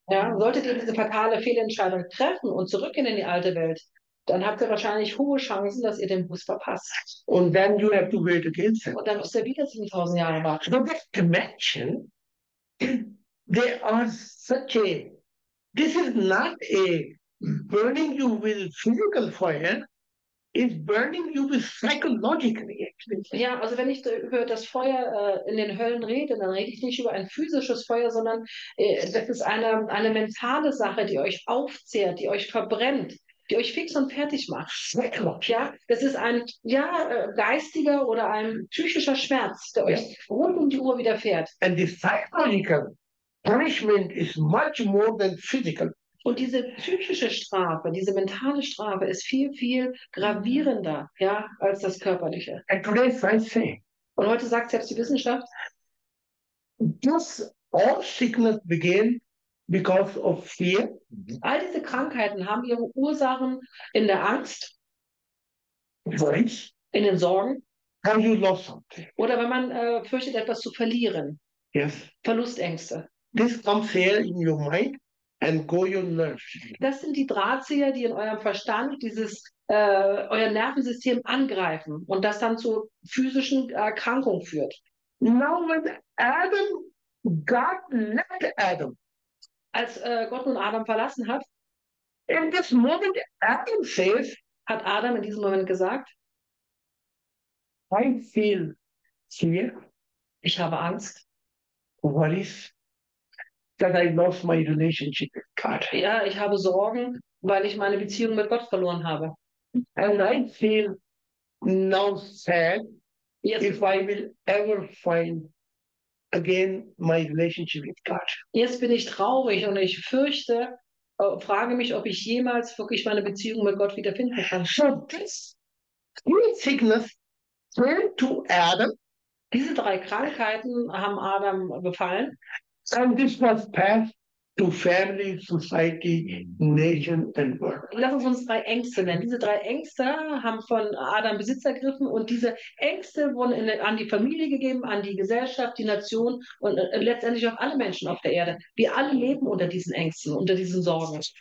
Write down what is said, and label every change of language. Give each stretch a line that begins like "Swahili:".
German: Ja, solltet ihr diese fatale Fehlentscheidung treffen und zurückgehen in die alte Welt, dann habt ihr wahrscheinlich hohe Chancen, dass ihr den Bus verpasst.
English: And then you have to wait again.
German: Und dann müsst ihr wieder 7000 Jahre warten.
English: So this dimension, they are such a. This is not a burning you with physical fire, it's burning you with psychologically.
German: Ja, also wenn ich über das Feuer in den Höllen rede, dann rede ich nicht über ein physisches Feuer, sondern das ist eine mentale Sache, die euch aufzehrt, die euch verbrennt. die euch fix und fertig macht. Ja, das ist ein geistiger oder ein psychischer Schmerz, der euch rund um die Uhr widerfährt.
English: And the psychological punishment is much more than physical.
German: Und diese psychische Strafe, diese mentale Strafe ist viel, viel gravierender, als das körperliche.
English: And today science say,
German: und heute sagt selbst die Wissenschaft, dass
English: all sickness begin because of fear.
German: All diese Krankheiten haben ihre Ursachen in der Angst. Weiß. In den Sorgen.
English: Have you lost something?
German: Oder wenn man fürchtet, etwas zu verlieren.
English: Yes.
German: Verlustängste.
English: This comes here in your mind. And go your nerves.
German: Das sind die Drahtzieher, die in eurem Verstand dieses euer Nervensystem angreifen und das dann zu physischen Erkrankungen führt.
English: Now when Adam, God left Adam,
German: als Gott nun Adam verlassen hat,
English: in this moment Adam says,
German: hat Adam in diesem Moment gesagt,
English: I feel fear.
German: Ich habe Angst.
English: What is that I lost my relationship with God.
German: Ja, ich habe Sorgen, weil ich meine Beziehung mit Gott verloren habe.
English: And I feel now sad if I will ever find again my relationship with God.
German: Jetzt bin ich traurig und ich fürchte, frage mich, ob ich jemals wirklich meine Beziehung mit Gott wiederfinden kann.
English: So this three sickness came to Adam.
German: Diese drei Krankheiten haben Adam befallen.
English: And this was passed to family, society, nation and world.
German: Lass uns drei Ängste nennen. Diese drei Ängste haben von Adam Besitz ergriffen und diese Ängste wurden an die Familie gegeben, an die Gesellschaft, die Nation und letztendlich auch alle Menschen auf der Erde. Wir alle leben unter diesen Ängsten, unter diesen Sorgen.